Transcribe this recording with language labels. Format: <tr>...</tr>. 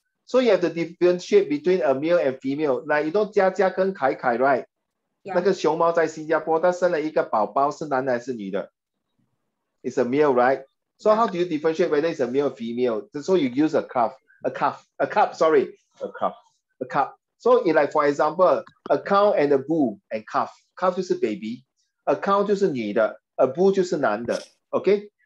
<en>So you have to differentiate between a male and female. Like, you know, Jia Jia and Kai Kai, right? Yeah.</en> <zh>那个熊猫在新加坡,它生了一个宝宝,是男的还是女的?</zh> <en>It's a male, right? So how do you differentiate whether it's a male or female? So you use a calf. So it's like, for example, a cow and a bull and calf. Calf is a baby. A cow is a nida. A bull is a nanda. Okay?</en>